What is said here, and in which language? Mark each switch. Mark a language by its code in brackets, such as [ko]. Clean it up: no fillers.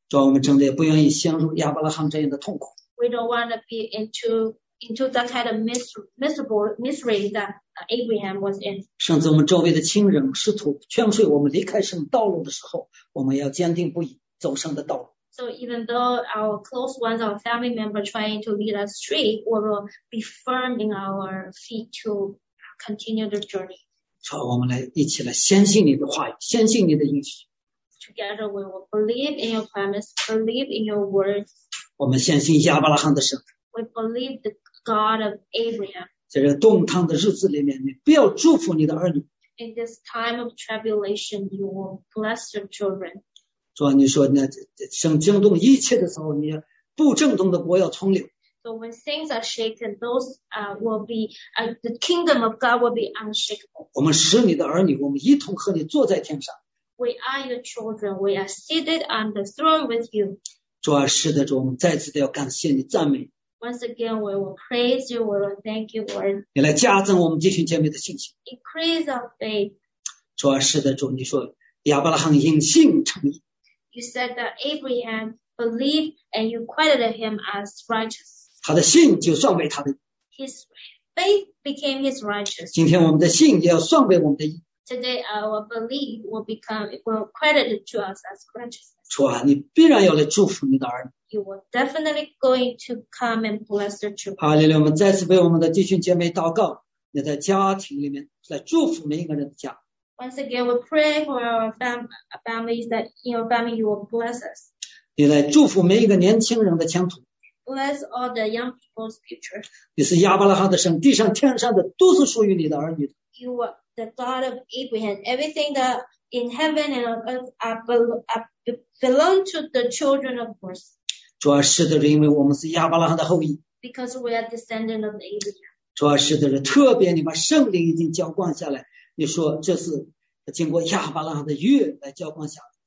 [zh] 主啊，我们真的不愿意陷入亚伯拉罕这样的痛苦。 [en] We don't want to be into that kind of miserable misery that Abraham was in. [zh] 甚至我们周围的亲人、师徒劝说我们离开神道路的时候，我们要坚定不移走神的道路。 [en] So even though our close ones, our family members trying to lead us astray, we will be firm in our feet to continue the journey. [zh] 好，我们来一起来相信你的话语，相信你的应许。 [en] Together we will believe in your promise, believe in your words. [zh] 我们相信亚伯拉罕的神。 [en] We believe the God of Abraham. [zh] 在这动荡的日子里面，你不要祝福你的儿女。 [en] In this time of tribulation, you will bless your children. [zh] 主啊，你说那神震动一切的时候，你不震动的国要存留。 [en] So when things are shaken, those will be the kingdom of God will be unshakable. [zh] 我们是你的儿女，我们一同和你坐在天上。 [en] We are your children. We are seated on the throne with you. [zh] 主啊，是的，主，我们再次的要感谢你，赞美。 [en] Once again, we will praise you, we will thank you, Lord. [zh] 你来加增我们这群姐妹的信心。 [en] Increase our faith. [zh] 主啊，是的，主，你说亚伯拉罕因信称义。 [en] You said that Abraham believed and you credited him as righteous. [zh] 他的信就算为他的。 [en] His faith became his righteous. [zh] 今天我们的信也要算为我们的义。 [en] Today our belief will credit to us as righteousness. [zh] 主啊，你必然要来祝福你的儿女。 [en] You are definitely going to come and bless your children. [zh] 哈利路亚，我们再次为我们的弟兄姐妹祷告，你在家庭里面来祝福每一个人的家。 [en] Once again, we pray for our families that in your family you will bless us. [zh] 你来祝福每一个年轻人的前途。 [en] Bless all the young people's future. [zh] 你是亚伯拉罕的神，地上天上的都是属于你的儿女的。 [en] You are the God of Abraham. Everything that in heaven and on earth belong to the children of God. [zh] 主啊，是的，因为我们是亚伯拉罕的后裔。 [en] Because we are descendant of Abraham. [zh] 主啊，是的，特别你把圣灵已经浇灌下来。你说这是经过亚伯拉罕的约来浇灌下来。